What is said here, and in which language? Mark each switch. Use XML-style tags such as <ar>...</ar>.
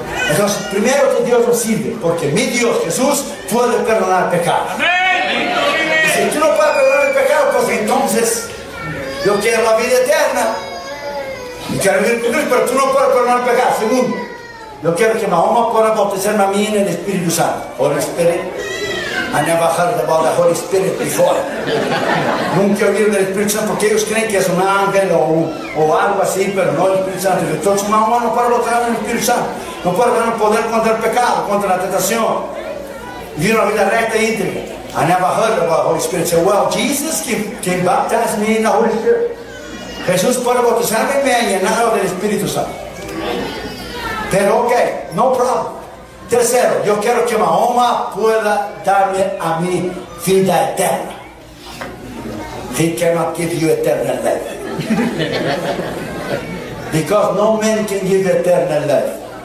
<es>Entonces, primero que Dios nos sirve, porque mi Dios, Jesús, puede perdonar pecados. ¡Amén! Y si tú no puedes perdonar el pecado, pues entonces yo quiero la vida eterna. Y quiero vivir con Dios, pero tú no puedes perdonar pecados. Segundo, yo quiero que Mahoma pueda bautizarme a mí en el Espíritu Santo.</es> <en>Holy Spirit. I never heard about the Holy Spirit before.</en> <es>Nunca he oído del Espíritu Santo porque ellos creen que es un ángel o algo así, pero no el Espíritu Santo. Entonces, Mahoma no puede lograr el Espíritu Santo. No puede tener poder contra el pecado, contra la tentación. Vivir una vida recta e íntegra.</es> <en>I never heard about the Holy Spirit. So, well, Jesus can baptize me in the Holy Spirit.</en> <es>Jesús puede bautizarme y me ha llenado del Espíritu Santo. Pero, ok,</es> <en>no problem.</en> <es>Tercero, yo quiero que Mahoma pueda darme a mí vida eterna.</es> <en>He cannot give you eternal life. Because no man can give eternal life.</en>